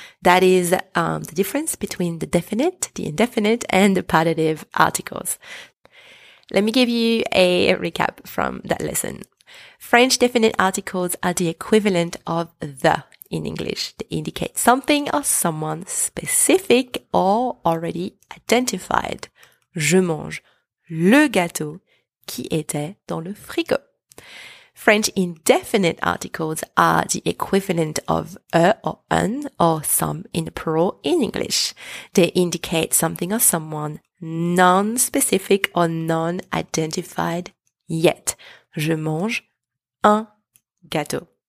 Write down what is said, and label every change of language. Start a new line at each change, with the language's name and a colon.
English: That is the difference between the definite, the indefinite, and the partitive articles. Let me give you a recap from that lesson. French definite articles are the equivalent of the in English. They indicate something or someone specific or already identified.
French: Je mange le gâteau qui était dans le frigo.
English: French indefinite articles are the equivalent of a or un or some in the plural in English. They indicate something or someone non-specific or non-identified yet.
French: Je mange un gâteau.